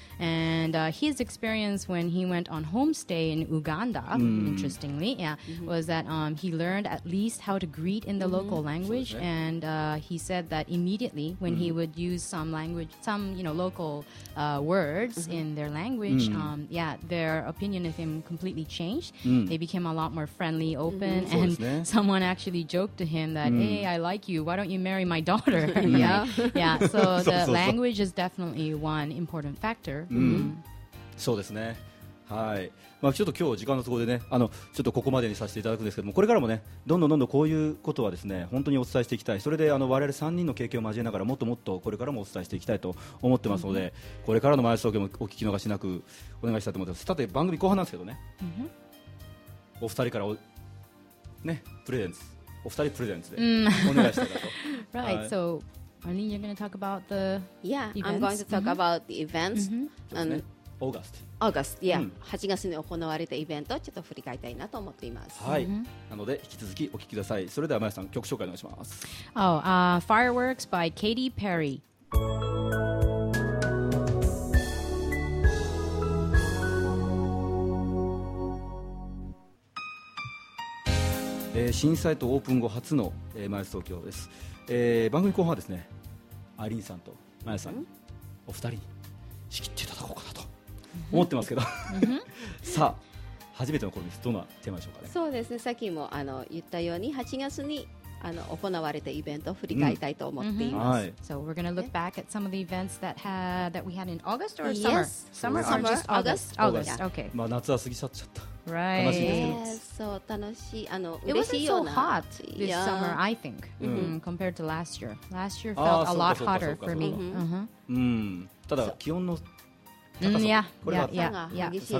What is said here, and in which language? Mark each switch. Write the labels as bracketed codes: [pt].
[en] and his experience when he went on homestay in Uganda、interestingly yeah, was that、he learned at least how to greet in the local language、ね、and、he said that immediately when、he would use some language, some you know, localwords in their language、yeah, their opinion of him completely changed、they became a lot more friendly, open、and someone actually joked to him that、hey, I like you, why don't you marry my daughter? yeah, yeah. So the language is definitely one important factor、 [ja] そうですね、はい、まあ、ちょっと今日時間のところでね、あのちょっとここまでにさせていただくんですけども、これからもねどんどんどんどんこういうことはですね本当にお伝えしていきたい。それであの我々3人の経験を交えながらもっともっとこれからもお伝えしていきたいと思ってますので、これからのマイアイス東京もお聞き逃しなくお願いしたいと思ってます。さて番組後半なんですけどね、お二人からねプレゼンツ、お二人プレゼンツでお願いしたいなと。 [en] Right, so Arlene, you're going to talk about the Yeah, events? I'm going to talk about the events、 August August, yeah. [ja] 8月に行われたイベントをちょっと振り返りたいなと思っています。はい。なので引き続きお聞きください。それではまやさん曲紹介お願いします。 [en] Oh, Fireworks by Katy Perry. [ja] え、震災とオープン後初のまやす東京です。番組後半はですね、アイリーンさんとまやさん、お二人に仕切っていただこうかなと。思ってますけどさあ初めての頃です。どんなテーマでしょうかね。そうですね、さっきもあの言ったように8月にあの行われたイベントを振り返りたいと思っています、はい、 [en] So we're going to look back at some of the events that we had in August or summer? Yes, summer just August. Okay. [ja] まあ夏は過ぎ去っちゃった、 [en] right. [ja] 悲しいですけど、そう楽しい、あの嬉しいような [en] It wasn't so hot this、yeah. summer I think、compared to last year. Last year felt a lot hotter for me、 [ja] ただ気温の、差